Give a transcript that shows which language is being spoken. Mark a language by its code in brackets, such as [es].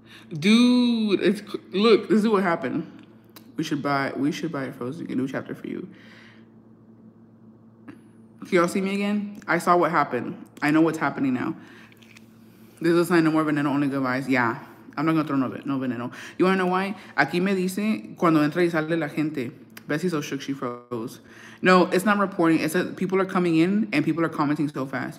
[en] Dude, look, this is what happened. We should buy a Frozen a new chapter for you. Can y'all see me again? I saw what happened. I know what's happening now. This is a sign of more veneno, only good vibes. Yeah. I'm not gonna throw no veneno. You wanna know why? [es] Aquí me dice cuando entra y sale la gente. [en] Bessie so shook she froze. No, it's not reporting. It's that people are coming in and people are commenting so fast.